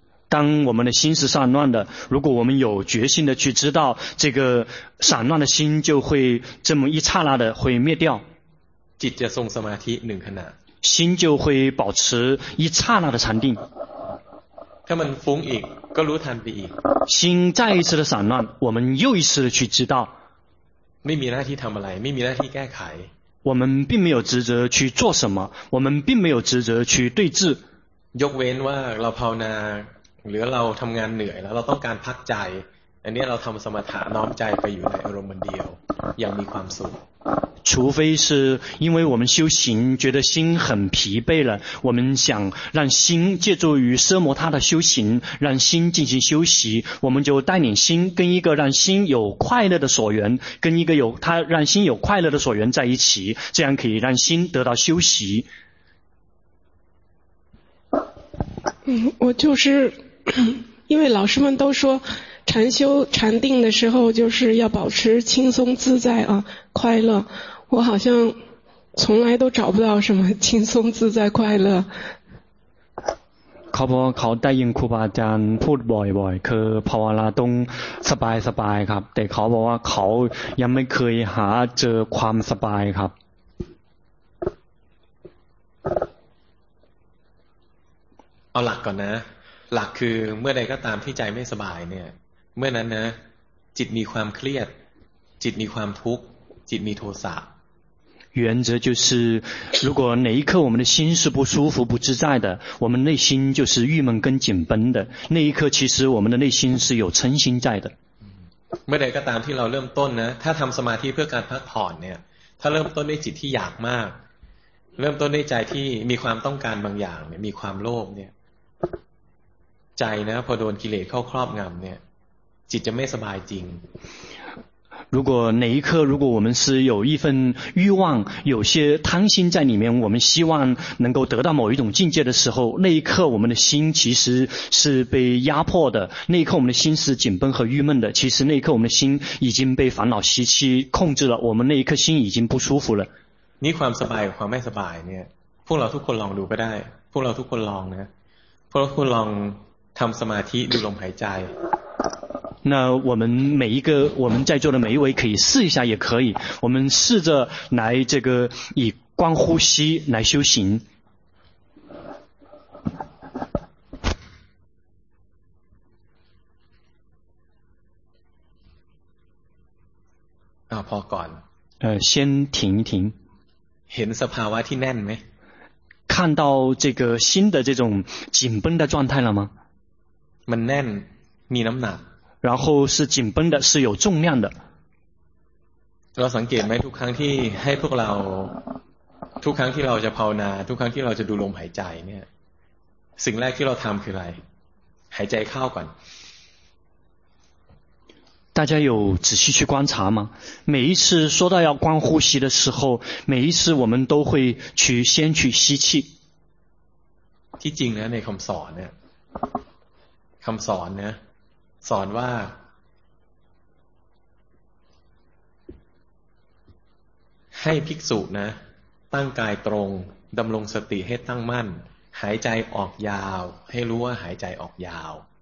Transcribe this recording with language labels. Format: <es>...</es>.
<zh>当我们的心是散乱的如果我们有决心的去知道这个散乱的心就会这么一刹那的会灭掉</zh> <th>จิตจะทรงสมาธิ1ขณะ</th> <zh>心就会保持一刹那的禅定</zh> <th>ถ้ามันฟุ้งอีกก็รู้ทันไปอีก</th> <zh>心再一次的散乱我们又一次的去知道</zh> <th>ไม่มีหน้าที่ทำอะไรไม่มีหน้าที่แก้ไข</th> <zh>我们并没有职责去做什么我们并没有职责去对治</zh> <th>ยกเว้นว่าเราภาวนาหรือเราทำงานเหนื่อยแล้วเราต้องการพักใจอันนี้เราทำสมถะน้อมใจไปอยู่ในอารมณ์เดียวอย่างมีความสุข</th> <zh>除非是因为我们修行觉得心很疲惫了我们想让心借助于奢摩他的修行让心进行休息我们就带领心跟一个让心有快乐的所缘跟一个有他让心有快乐的所缘在一起这样可以让心得到休息我就是因为老师们都说禅修禅定的时候就是要保持轻松自在啊快乐我好像从来都找不到什么轻松自在快乐</zh> <th>เขาบอกเขาได้ยินครูบาอาจารย์พูดบ่อยๆคือภาวนาต้องสบายๆครับแต่เขาบอกว่าเขายังไม่เคยหาเจอความสบายครับ เอาหลักก่อนนะหลักคือเมื่อใดก็ตามที่ใจไม่สบายเนี่ยเมื่อนั้นนะจิตมีความเครียดจิตมีความทุกข์จิตมีโทสะ</th> <zh>原则就是如果哪一刻我们的心是不舒服不自在的我们内心就是郁闷跟紧绷的那一刻其实我们的内心是有嗔心在的</zh> <th>เมื่อใดก็ตามที่เราเริ่มต้นนะถ้าทำสมาธิเพื่อการพักผ่อนเนี่ยถ้าเริ่มต้นด้วยจิตที่อยากมากเริ่มต้นด้วยใจที่มีความต้องการบางอย่างเนี่ยมีความโลภเนี่ยใจนะพอโดนกิเลสเข้าครอบงำเนี่ยจิตจะไม่สบายจริง</th> <zh>如果哪一刻如果我们是有一份欲望有些贪心在里面我们希望能够得到某一种境界的时候那一刻我们的心其实是被压迫的那一刻我们的心是紧绷和郁闷的其实那一刻我们的心已经被烦恼习气控制了我们那一刻心已经不舒服了</zh> <th>你ความสบายความไม่สบายเนี่ยพวกเราทุกคนลองดูก็ได้พวกเราทุกคนลองนะพวกเราทุกคนลองทำสมาธิดูลมหายใจ</th> <zh>那我们每一个我们在座的每一位可以试一下也可以我们试着来这个以观呼吸来修行</zh> <th>啊พอก่อน</th> <zh>先停一停</zh> <th>เห็นสภาวะที่แน่นไหม</th> <zh>看到这个心的这种紧绷的状态了吗</zh> <th>มันแน่นมีน้ำหนัก</th> <zh>然后是紧绷的是有重量的</zh> <th>เราสังเกตไหมทุกครั้งที่ให้พวกเราทุกครั้งที่เราจะภาวนาทุกครั้งที่เราจะดูลมหายใจเนี่ยสิ่งแรกที่เราทำคืออะไรหายใจเข้าก่อน</th> <zh>大家有仔细去观察吗每一次说到要观呼吸的时候每一次我们都会去先去吸气</zh> <th>ที่จริงแล้วในคำสอนเนี่ยคำสอนเนี่ยสอนว่าให้ภิกษุนะตั้งกายตรงดำรงสติให้ตั้งมั่นหายใจออกยาวให้รู้ว่าหายใจออกยาว</th>